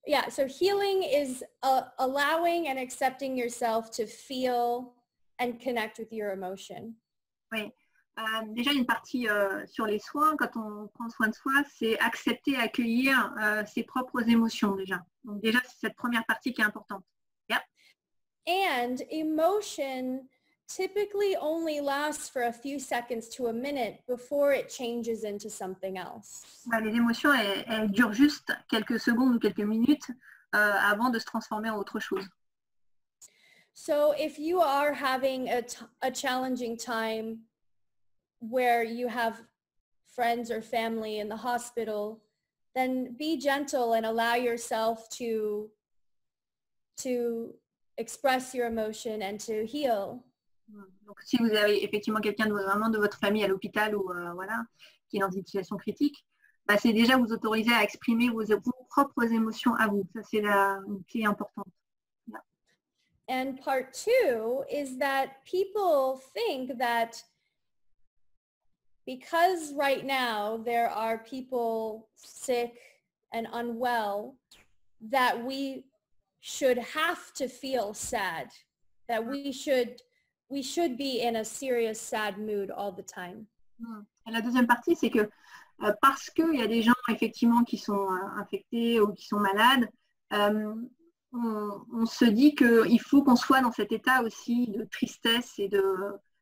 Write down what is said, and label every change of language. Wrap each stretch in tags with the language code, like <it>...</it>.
<en>So healing is allowing and accepting yourself to feel and connect with your emotion.</en> <fr>Oui. Déjà, une partie sur les soins, quand on prend soin de soi, c'est accepter, accueillir ses propres émotions, déjà. Donc, déjà, c'est cette première partie qui est importante.</fr> <en>Yeah. And emotion typically only lasts for a few seconds to a minute before it changes into something else.</en> <fr>Bah, les émotions, elles durent juste quelques secondes ou quelques minutes avant de se transformer en autre chose.</fr> <en>So, if you are having a challenging time where you have friends or family in the hospital, then be gentle and allow yourself to express your emotion and to heal.</en> <fr>Donc, si vous avez effectivement quelqu'un de votre famille à l'hôpital ou voilà, qui est dans une situation critique, bah, c'est déjà vous autoriser à exprimer vos propres émotions à vous. Ça, c'est une clé importante. Yeah.</fr> <en>And part two is that people think that because right now there are people sick and unwell, that we should have to feel sad, that we should be in a serious sad mood all the time.</en> <fr>Et la deuxième partie, c'est que parce qu'il y a des gens effectivement qui sont infectés ou qui sont malades, on se dit qu'il faut qu'on soit dans cet état aussi de tristesse et de...</fr>